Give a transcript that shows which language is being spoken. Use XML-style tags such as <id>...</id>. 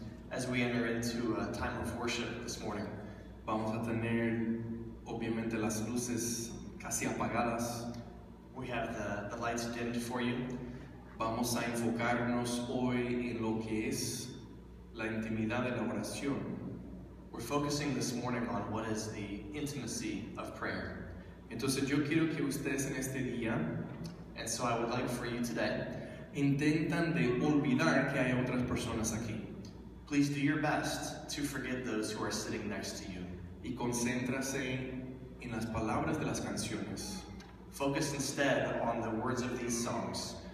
<en>As we enter into a time of worship this morning,</en> <es>vamos a tener obviamente las luces casi apagadas.</es> <en>We have the lights dimmed for you.</en> <es>Vamos a enfocarnos hoy en lo que es la intimidad de la oración.</es> <en>We're focusing this morning on what is the intimacy of prayer.</en> <es>Entonces yo quiero que ustedes en este día,</es> <en>and so I would like for you today,</en> <es>intentan de olvidar que hay otras personas aquí.</es> <en>Please do your best to forget those who are sitting next to you.</en> <es>Y concéntrase en las palabras de las canciones.</es> <en>Focus instead on the words of these songs.</en>